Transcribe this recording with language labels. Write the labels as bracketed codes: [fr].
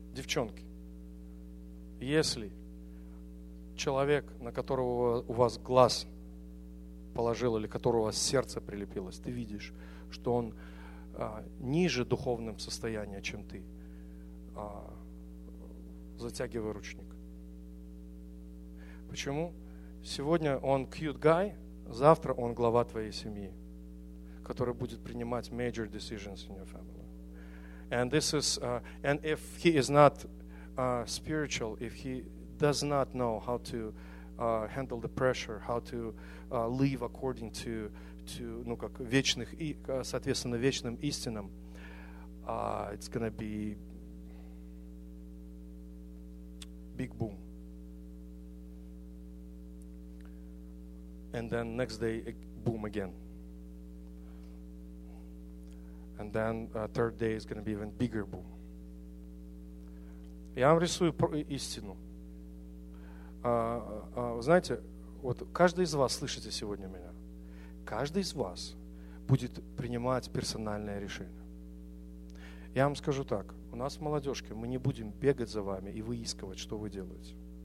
[ru] Девчонки, если человек, на которого у вас глаз положил или которого сердце прилепилось, ты видишь, что он ниже духовным состоянием, чем ты, затягивай ручник. Почему? Сегодня он [en] cute guy, [ru] завтра он глава твоей семьи, который будет принимать [en] major decisions in your family. And this is, and if he is not spiritual, if he does not know how to handle the pressure, how to live according to [ru] ну как вечных и соответственно вечным истинам, [en] it's gonna be big boom. And then next day, boom again. And then third day is going to be even bigger boom. [ru] Я вам рисую истину. Знаете, вот каждый из вас, слышите сегодня меня, каждый из вас будет принимать персональное решение. Я вам скажу так, у нас в молодежке мы не будем бегать за вами и выискивать, что вы делаете.